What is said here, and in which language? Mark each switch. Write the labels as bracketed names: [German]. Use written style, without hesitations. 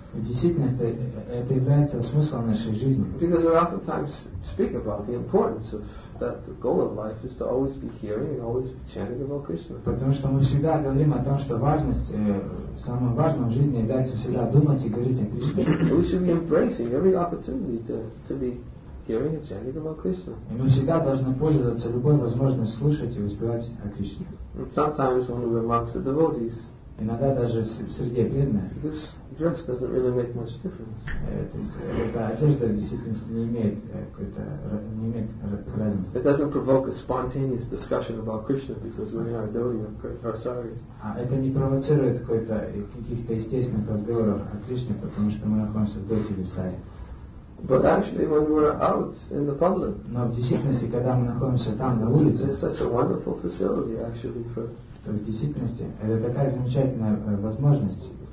[Russian] В действительности это является смыслом нашей жизни. [English] Because we oftentimes speak about the importance of that the goal of life is to always be hearing and always be chanting about Krishna. [Russian] Потому что мы всегда говорим о том, что важность самое важное в жизни является всегда думать и говорить о Кришне. [English] We should be embracing every opportunity to be hearing and chanting about Krishna. [Russian] И мы всегда должны пользоваться любой возможностью слушать и воспевать о Кришне. [English] And sometimes when we're amongst the devotees, [Russian] иногда даже в среде преданных, [English] this dress doesn't really make much difference. [Russian] Эта одежда в действительности не имеет какой-то разницы. [English] It doesn't provoke a spontaneous discussion about Krishna because we are devotees or saris. [Russian] А это не провоцирует какой-то каких-то естественных разговоров о Кришне, потому что мы находимся в доте или сари. [English] But actually, when we're out in the public, [Russian] но в действительности, когда мы находимся там на улице, [English] it's such a wonderful facility actually for. [Russian] То в действительности это такая замечательная возможность.